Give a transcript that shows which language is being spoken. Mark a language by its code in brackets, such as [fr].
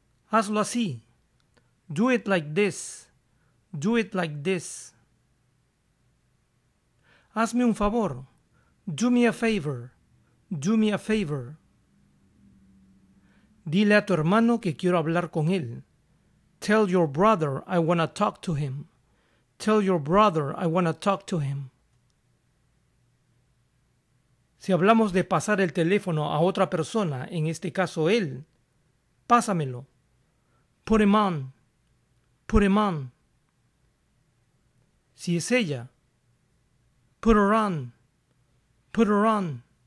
[es] Hazlo así. [en] Do it like this. Do it like this. [es] Hazme un favor. [en] Do me a favor. Do me a favor. [es] Dile a tu hermano que quiero hablar con él. [en] Tell your brother I want to talk to him. Tell your brother I want to talk to him. [es] Si hablamos de pasar el teléfono a otra persona, en este caso él, pásamelo. [en] Put him on. Put him on. [es] Si es ella, [en] put her on. Put her on.